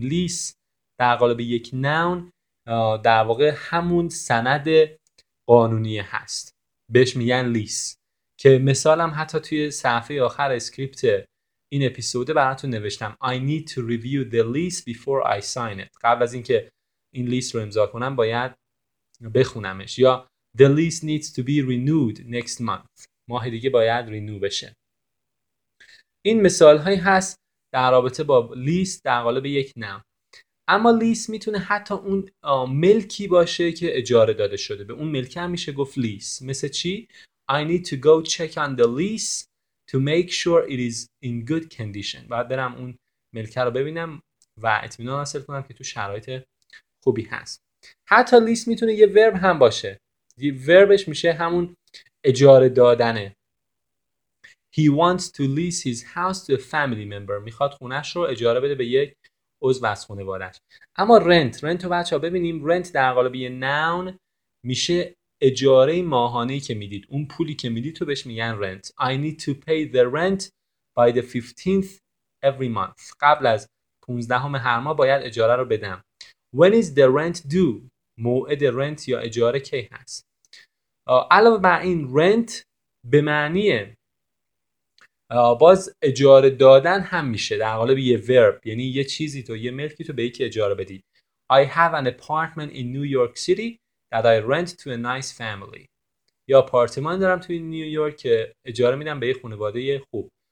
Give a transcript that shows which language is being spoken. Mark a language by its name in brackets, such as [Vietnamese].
[Persian] لیس در قالب یک نون در واقع همون سند قانونی هست، بهش میگن لیس. که مثالم حتی توی صفحه آخر اسکریپت این اپیزود براتون نوشتم، [English] I need to review the lease before I sign it. [Persian] قبل از اینکه این لیست رو امضا کنم باید بخونمش. [English] یا the lease needs to be renewed next month. [Persian] ماه دیگه باید رینو بشه. این مثال هایی هست در رابطه با لیست در قالب یک نام. اما لیست میتونه حتی اون ملکی باشه که اجاره داده شده. به اون ملک هم میشه گفت لیست. مثل چی؟ [English] I need to go check on the lease to make sure it is in good condition. [Persian] باید برم اون ملکه رو ببینم و اطمینان حاصل کنم که تو شرایط خوبی هست. حتی لیست میتونه یه ورب هم باشه. یه وربش میشه همون اجاره دادنه. [English] He wants to lease his house to a family member. [Persian] میخواد خونش رو اجاره بده به یک عضو از خانواده‌اش. اما رنت، رنت رو بچه‌ها ببینیم، رنت در قالب یه نون میشه اجاره ماهانه‌ای که میدید، اون پولی که میدید تو بهش میگن رنت. [English] I need to pay the rent by the 15th every month. [Persian] قبل از 15 هر ماه باید اجاره رو بدم. [English] When is the rent due؟ [Persian] موعد رنت یا اجاره کی هست؟ علاوه بر این رنت به معنی باز اجاره دادن هم میشه در قالب یه ورب، یعنی یه چیزی تو، یه ملکی تو به یکی اجاره بدی. [English] I have an apartment in New York City that I rent to a nice family. [Persian] یا آپارتمان دارم توی نیویورک که اجاره میدم به یه خانواده خوب.